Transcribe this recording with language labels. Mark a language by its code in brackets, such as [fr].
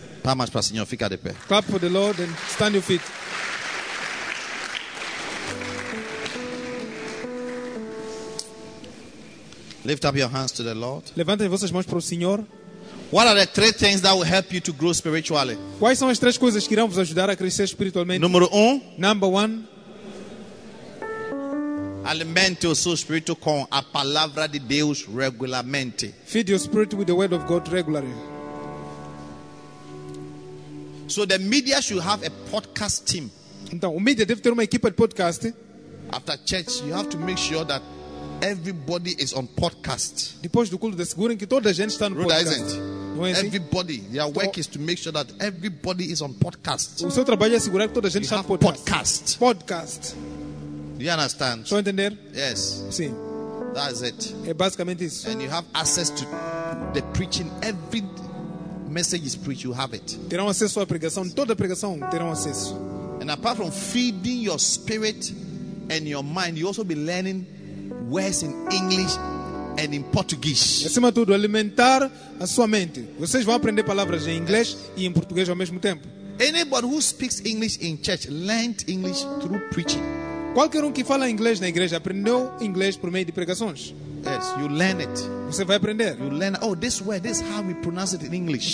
[pt] Palmas para o Senhor, fica de pé. [en] Clap for the Lord and stand your feet. Lift up your hands to the Lord. [pt] Levantem vossas mãos para o Senhor. [en] What are the three things that will help you to grow spiritually? [pt] Quais são as três coisas que irão vos ajudar a crescer espiritualmente? Número 1. [en] Number 1. [pt] Alimente o seu espírito com a palavra de Deus regularmente. [en] Feed your spirit with the word of God regularly. So the media should have a podcast team. [pt] Então, o media deve ter uma equipa de podcast. [en] After church, you have to make sure that everybody is on podcast. [pt] Depois do culto, de seguro que toda a gente está no podcast. [en] Isn't. Everybody, their work is to make sure that everybody is on podcast. [pt] O seu trabalho é assegurar que toda a gente [en] you [pt] está no podcast. Podcast. Podcast. [en] You understand? [pt] Estou a entender? [en] Yes. [pt] Sim. [en] That's it. [pt] É basicamente isso. [en] And you have access to the preaching. Every message is preached, you have it. [pt] Terão acesso à pregação. Toda pregação terão acesso. [en] And apart from feeding your spirit and your mind, you also be learning words in English and in Portuguese. [pt] Acima de tudo, alimentar a sua mente. Vocês vão aprender palavras em inglês e em português ao mesmo tempo. [en] Anybody who speaks English in church learned English through preaching. [pt] Qualquer um que fala inglês na igreja aprendeu inglês por meio de pregações. [en] Yes, you learn it. [pt] Você vai aprender. [en] You learn. Oh, this word, this how we pronounce it in English.